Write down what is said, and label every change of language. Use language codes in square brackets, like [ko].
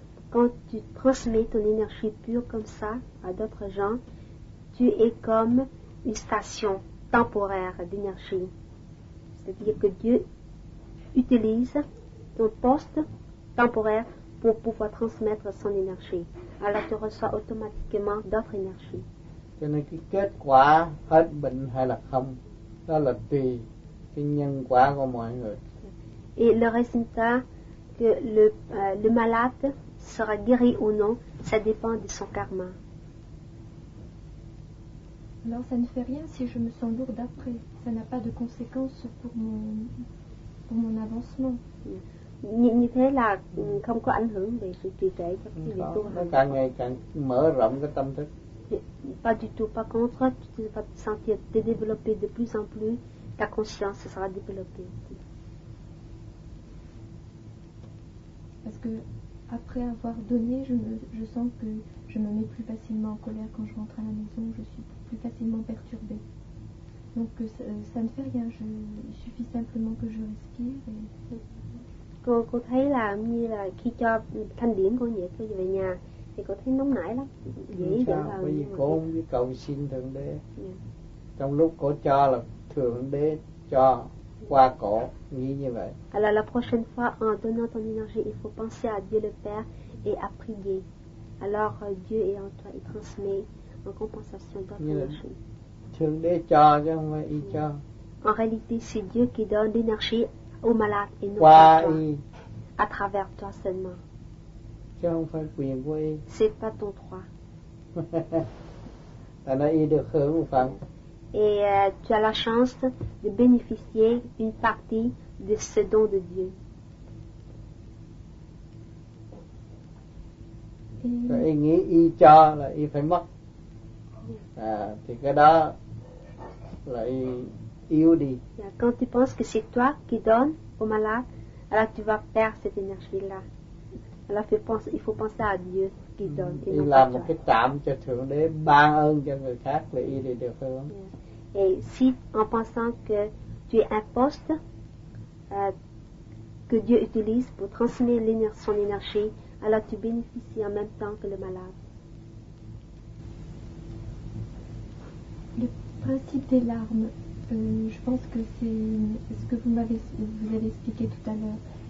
[fr] Quand tu transmets ton énergie pure comme ça à d'autres gens, tu es comme une station temporaire d'énergie. C'est-à-dire que Dieu utilise ton poste temporaire pour pouvoir transmettre son énergie. Alors tu reçois automatiquement d'autres énergies. [vi] Cho nên cái kết quả hết bệnh hay là không, đó là tùy cái nhân quả của mọi người. [fr] Et le résultat que le malade sera guéri ou non, ça dépend de son karma. Alors ça ne fait rien si je me sens lourde après. Ça n'a pas de conséquence pour mon avancement. [vi] Như thế là không có ảnh hưởng về sự trì trệ cho cái việc tu hành. Càng ngày càng mở rộng cái tâm thức. [fr] Pas du tout, par contre, tu vas te sentir te développer de plus en plus, ta conscience sera développée. Parce que après avoir donné, je sens que je me mets plus facilement en colère quand je rentre à la maison, je suis plus facilement perturbée. Donc ça ne fait rien, il suffit simplement que je respire et... [vi] Cô thấy là như là khi cho thanh điển của nhiệt cô về nhà thì cô thấy nóng nảy lắm, dễ dàng là... Bởi vì cô không biết cầu xin Thượng Đế. Trong lúc cô cho là Thượng Đế cho qua cổ, nghĩ như vậy. [fr] Alors la prochaine fois, en donnant ton énergie, il faut penser à Dieu le Père et à prier. Alors Dieu est en toi, il transmet en compensation d'autres énergies. [vi] Thượng Đế cho chứ không phải y cho. [fr] En réalité, c'est Dieu qui donne l'énergie au malade et non [vi] qua [fr] à toi, [vi] y. [fr] À travers toi seulement. [vi] Chứ không phải quyền của y. [fr] C'est pas ton droit. [vi] Tại nó y được hưởng một phần. [fr] Et tu as la chance de bénéficier d'une partie de ce don de Dieu. [vi] Y nghĩ y cho là y phải mất. À, thì cái đó là yếu đi. [fr] Quand tu penses que c'est toi qui donne au malade, alors tu vas perdre cette énergie-là. Alors il faut penser à Dieu qui donne. [vi] Y làm một cái trạm cho Thượng Đế ban ơn cho người khác là y thì được hơn. [fr] Et si en pensant que tu es un poste que Dieu utilise pour transmettre son énergie, alors tu bénéficies en même temps que le malade. Le principe des larmes, je pense que c'est ce que vous avez expliqué tout à l'heure.